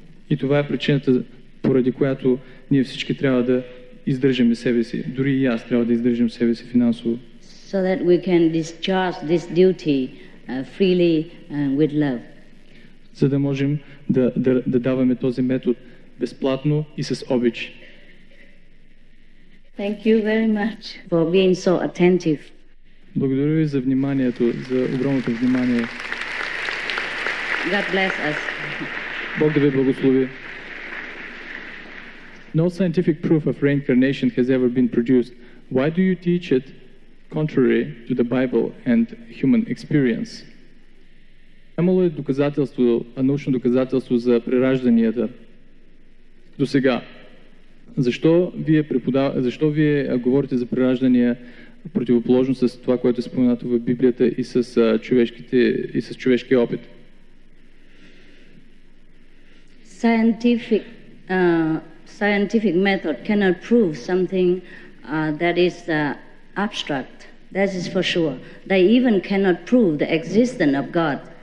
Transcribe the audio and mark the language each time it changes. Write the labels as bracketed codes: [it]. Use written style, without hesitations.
[bg] И това е причината, поради която ние всички трябва да издържаме себе си. Дори и аз трябва да издържам себе си финансово. [en] So that we can discharge this duty freely and with love. [bg] За да можем да даваме този метод безплатно и с обич. [en] Thank you very much for being so attentive. [bg] Благодаря ви за вниманието, за огромното внимание. [en] God bless us. [bg] Бог да ви благослови. [en] No scientific proof of reincarnation has ever been produced. Why do you teach it contrary to the Bible and human experience? [bg] Има ли доказателство, научно доказателство за преражданията до сега? Защо вие говорите за преражданията противоположно с това, което е споменато в Библията и с човешкия опит? [en] Scientific method cannot prove something that is abstract. That is for sure. They even cannot prove the existence of God.